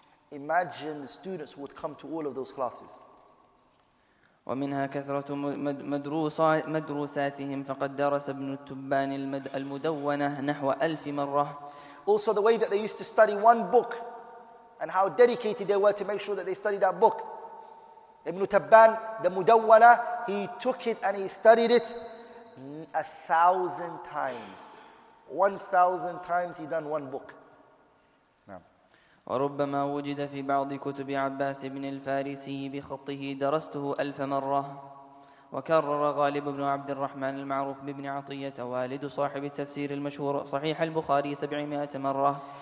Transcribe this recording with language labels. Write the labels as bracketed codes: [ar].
[en] Imagine the students would come to all of those classes. [ar] ومنها كثرة مدروساتهم, فقد درس ابن التبان المدونة نحو 1000 مرة. [en] Also the way that they used to study one book and how dedicated they were to make sure that they study that book. Ibn Tabban, the Mudawwana, he took it and he studied it 1,000 times. 1,000 times he done one book. [ar] وربما وجد في بعض كتب عباس بن الفارسي بخطه درسته 1,000 مرة. وكرر غالب بن عبد الرحمن المعروف بابن عطية والد صاحب التفسير المشهور صحيح البخاري 700 مرة.